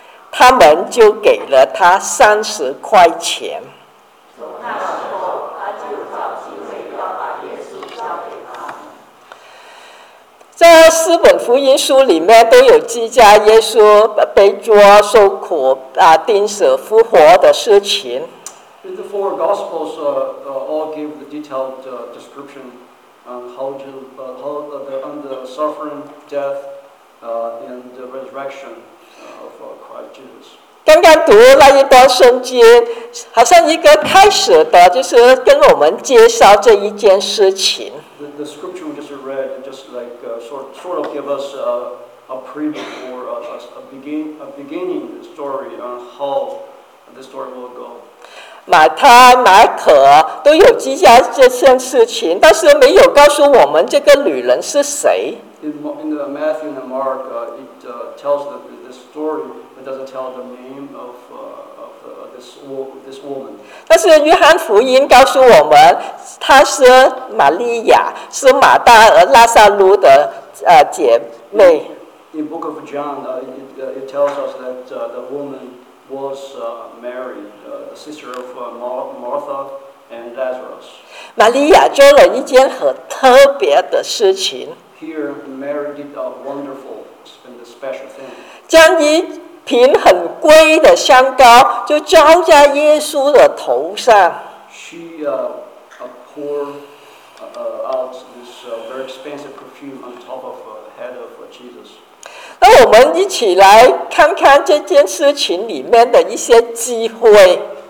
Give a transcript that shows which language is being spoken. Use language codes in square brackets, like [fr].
[zh] 他们就给了她三十块钱。在四本福音书里面都有记载耶稣被捉、受苦、钉死、复活的事情。 [en] In the four Gospels, all give the detailed description on how the suffering, death, and the resurrection of Christ Jesus. [zh] 刚刚读那一段圣经，好像一个开始的，就是跟我们介绍这一件事情。 [en] sort of give us a preview or a beginning story on how the story will go. [zh] 马太、马可都有记下这件事情，但是没有告诉我们这个女人是谁。 [en] In the Matthew and Mark, it tells the story, but doesn't tell the name of this woman. [zh] 但是约翰福音告诉我们，她是玛利亚，是马大和拉撒路的姐妹。 [en] In Book of John, it tells us that the woman was Mary. Sister of Martha and Lazarus. [zh] 玛利亚做了一件很特别的事情。 [en] Here, Mary did a wonderful and special thing. [zh] 将一瓶很贵的香膏就浇在耶稣的头上。 [en] She poured out this very expensive perfume on top of the head of Jesus. [zh] 那我们一起来看看这件事情里面的一些机会。